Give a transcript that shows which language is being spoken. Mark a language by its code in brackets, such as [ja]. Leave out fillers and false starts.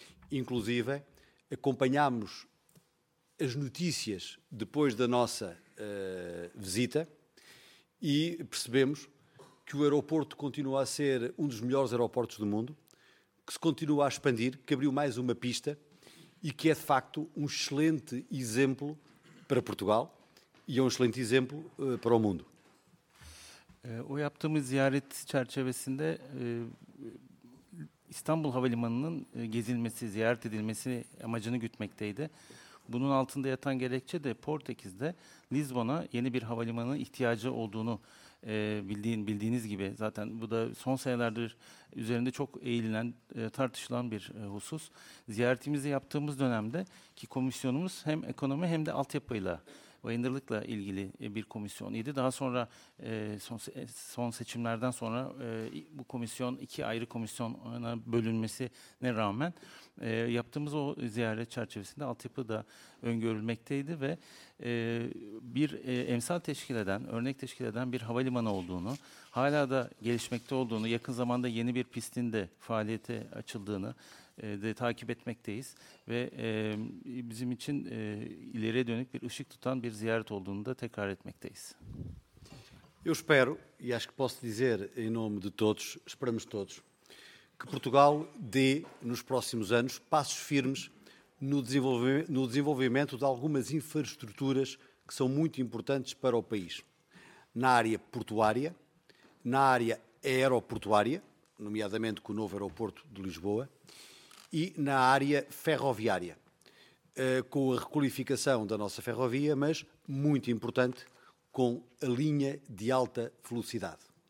[pt] Inclusive, acompanhámos as notícias depois da nossa visita e percebemos que o aeroporto continua a ser um dos melhores aeroportos do mundo, que se continua a expandir, que abriu mais uma pista e que é, de facto, um excelente exemplo para Portugal e é um excelente exemplo para o mundo. [tr] O yaptığımız ziyaret çerçevesinde İstanbul Havalimanı'nın gezilmesi, ziyaret edilmesi amacını gütmekteydi. Bunun altında yatan gerekçe de Portekiz'de Lizbon'a yeni bir havalimanının ihtiyacı olduğunu bildiğiniz gibi zaten bu da son senelerdir üzerinde çok eğilen, tartışılan bir husus. Ziyaretimizi yaptığımız dönemde ki komisyonumuz hem ekonomi hem de altyapıyla, bayındırlıkla ilgili bir komisyon idi. Daha sonra son seçimlerden sonra bu komisyon iki ayrı komisyona bölünmesine rağmen yaptığımız o ziyaret çerçevesinde altyapı da öngörülmekteydi ve bir emsal teşkil eden, örnek teşkil eden bir havalimanı olduğunu, hala da gelişmekte olduğunu, yakın zamanda yeni bir pistin de faaliyete açıldığını de takip etmekteyiz. Ve bizim için ileriye dönük bir ışık tutan bir ziyaret olduğunu da tekrar etmekteyiz. [pt] Eu espero, e acho que posso dizer em nome de todos, esperamos todos, que Portugal dê, nos próximos anos, passos firmes no desenvolvimento de algumas infraestruturas que são muito importantes para o país. Na área portuária, na área aeroportuária, nomeadamente com o novo aeroporto de Lisboa, e na área ferroviária, com a requalificação da nossa ferrovia, mas, muito importante, com a linha de alta velocidade.